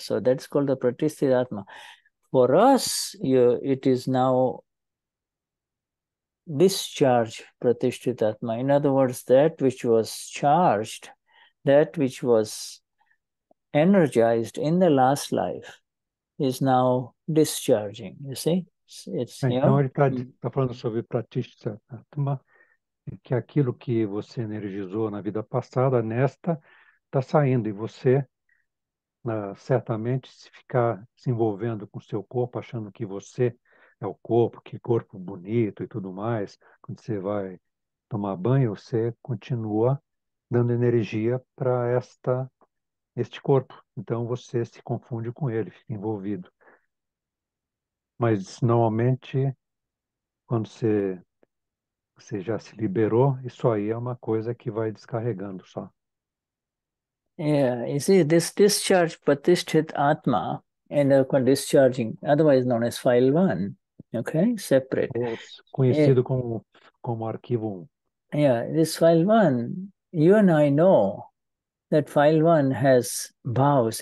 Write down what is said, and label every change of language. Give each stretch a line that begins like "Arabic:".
English: So that's called the pratisthidatma. For us, it is now discharge pratisthidatma. In other words, that which was charged, that which was energized in the last life is now discharging. You see, it's
Portuguese: Então,
English: you
Portuguese: ele está
English: know.
Portuguese: tá falando sobre pratishtatma, que aquilo que você energizou na vida passada, nesta, está saindo. E você, certamente, se ficar se envolvendo com o seu corpo, achando que você é o corpo, que corpo bonito e tudo mais, quando você vai tomar banho, você continua dando energia para este corpo. Então, você se confunde com ele, fica envolvido. Mas normalmente, quando você já se liberou, isso aí é uma coisa que vai descarregando só.
English: Yeah, you see, this discharge pratishthit atma, and discharging, otherwise known as file one, okay, separate.
Portuguese: Conhecido como arquivo 1.
English: This file one, you and I know that file one has bhavs.